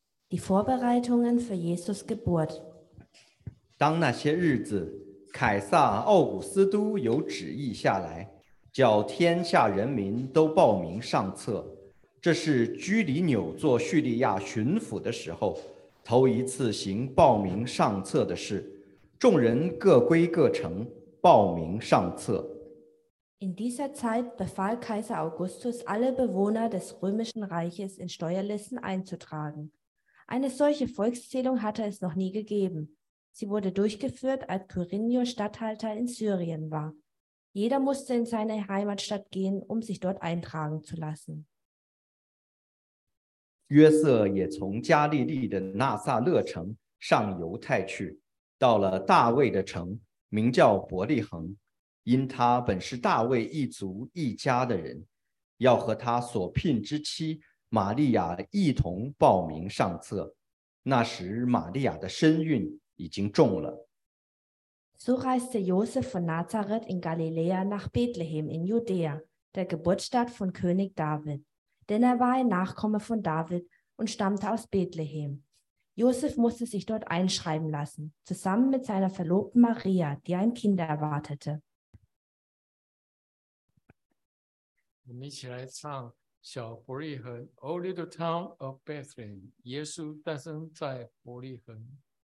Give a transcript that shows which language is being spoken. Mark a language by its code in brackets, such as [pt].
[de] Die Vorbereitungen für Jesus Geburt. [zh] 当那些日子，凯撒奥古斯都有旨意下来，叫天下人民都报名上册。这是居里纽做叙利亚巡抚的时候，头一次行报名上册的事。众人各归各城，报名上册。 [de] In dieser Zeit befahl Kaiser Augustus, alle Bewohner des Römischen Reiches in Steuerlisten einzutragen. Eine solche Volkszählung hatte es noch nie gegeben. Sie wurde durchgeführt, als Quirinius Statthalter in Syrien war. Jeder musste in seine Heimatstadt gehen, um sich dort eintragen zu lassen. [zh] Jose 也从加利利的纳撒勒城上犹太去，到了大卫的城，名叫伯利恒。因他本是大卫一族一家的人，要和他所聘之妻玛利亚一同报名上册。那时玛利亚的身孕已经重了。 [de] So reiste Josef von Nazareth in Galiläa nach Bethlehem in Judäa, der Geburtsstadt von König David. Denn er war ein Nachkomme von David und stammte aus Bethlehem. Josef musste sich dort einschreiben lassen, zusammen mit seiner Verlobten Maria, die ein Kind erwartete. [zh] 我们一起来唱小伯利恒 [en] O little town of Bethlehem [zh] 耶稣诞生在伯利恒